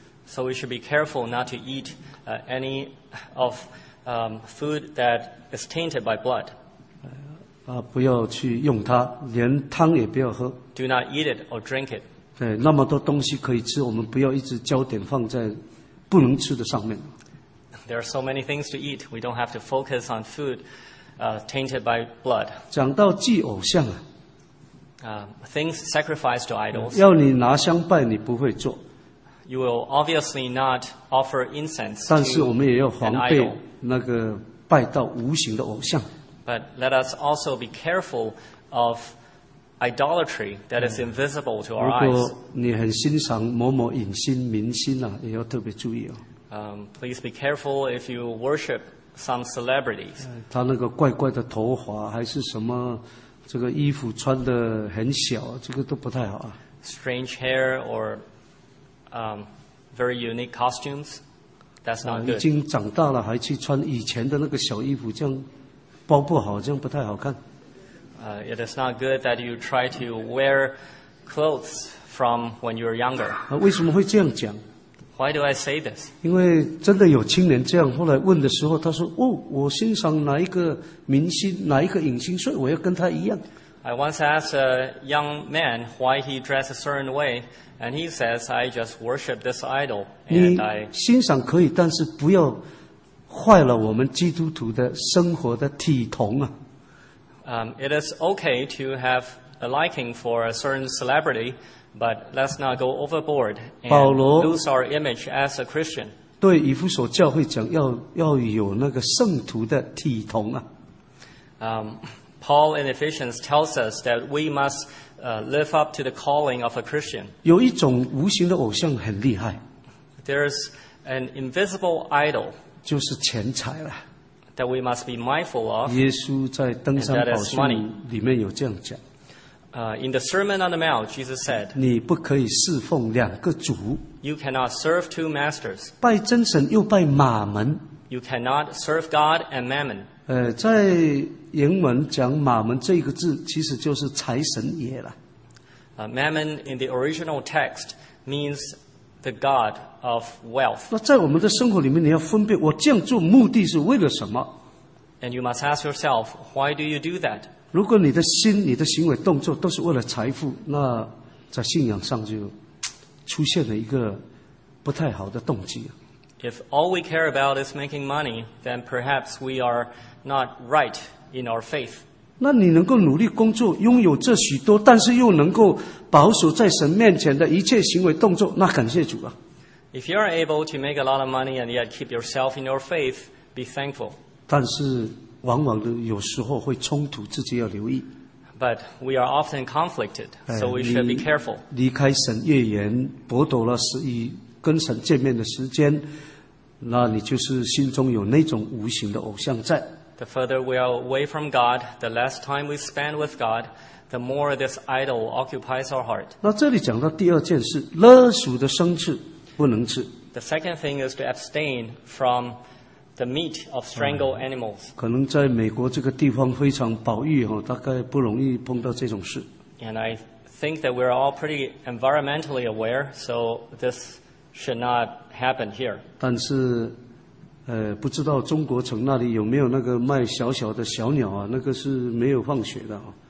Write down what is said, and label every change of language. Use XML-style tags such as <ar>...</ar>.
<en>So we should be careful not to eat any of food that is tainted by blood.</en> <zh>不要去用它，连汤也不要喝。</zh> <en>Do not eat it or drink it.</en> <zh>对，那么多东西可以吃，我们不要一直焦点放在不能吃的上面。</zh> <en>There are so many things to eat. We don't have to focus on food tainted by blood.</en> <zh>讲到祭偶像啊。</zh> <en>Things sacrificed to idols.</en> <zh>要你拿香拜，你不会做。</zh> <en>You will obviously not offer incense.</en> <zh>但是我们也要防备那个拜到无形的偶像。</zh> <en>But let us also be careful of idolatry that is invisible to our eyes.</en> <zh>如果你很欣赏某某影星、明星啊，也要特别注意哦。</zh> <en>Please be careful if you worship some celebrities.</en> <zh>他那个怪怪的头发还是什么？这个衣服穿得很小，这个都不太好啊。</zh> <en>Strange hair or very unique costumes, that's not good.</en> <zh>已经长大了，还去穿以前的那个小衣服，这样包不好，这样不太好看。</zh> <en>It is not good that you try to wear clothes from when you were younger.</en> <zh>为什么会这样讲？</zh> <en>Why do I say this?</en> <zh>因为真的有青年这样，后来问的时候，他说：“哦，我欣赏哪一个明星，哪一个影星，所以我要跟他一样。”</zh> <en>I once asked a young man why he dressed a certain way, and he says, "I just worship this idol."</en> <zh>你欣赏可以，但是不要坏了我们基督徒的生活的体统啊。</zh> <en>It is okay to have a liking for a certain celebrity. But let's not go overboard and lose our image as a Christian.</en> <zh>对以弗所教会讲要有那个圣徒的体统啊。</zh> <en>Paul in Ephesians tells us that we must live up to the calling of a Christian.</en> <zh>有一种无形的偶像很厉害。</zh> <en>There's an invisible idol.</en> <zh>就是钱财了。</zh> <en>That we must be mindful of.</en> <zh>耶稣在登山宝训里面有这样讲。</zh> <en>In the Sermon on the Mount, Jesus said,</en> <zh>你不可以侍奉两个主。</zh> <en>You cannot serve two masters.</en> <zh>拜真神又拜马门。</zh> <en>You cannot serve God and mammon.</en> <zh>在原文讲马门这个字其实就是财神爷了。</zh> <en>Mammon in the original text means the God of wealth.</en> <zh>那在我们的生活里面你要分辨我这样做目的是为了什么。</zh> <en>And you must ask yourself, why do you do that?</en> <zh>如果你的心、你的行为、动作都是为了财富，那在信仰上就出现了一个不太好的动机。</zh> <en>If all we care about is making money, then perhaps we are not right in our faith.</en> <zh>那你能够努力工作，拥有这许多，但是又能够保守在神面前的一切行为动作，那感谢主啊。</zh> <en>If you are able to make a lot of money and yet keep yourself in your faith, be thankful.</en> <zh>但是往往的有时候会冲突，自己要留意。</zh> <en>But we are often conflicted, so we should be careful.</en> <zh>离开神越远，剥夺了是以跟神见面的时间，那你就是心中有那种无形的偶像在。</zh> <en>The further we are away from God, the less time we spend with God, the more this idol occupies our heart.</en> <zh>那这里讲到第二件事，勒俗的牲畜不能吃。</zh> <en>The second thing is to abstain from the meat of strangled animals.</en> <zh>可能在美国这个地方非常保育，大概不容易碰到这种事。</zh> <en>And I think that we're all pretty environmentally aware, so this should not happen here.</en> <zh>但是不知道中国城那里有没有那个卖小小的小鸟啊，那个是没有放血的。</zh>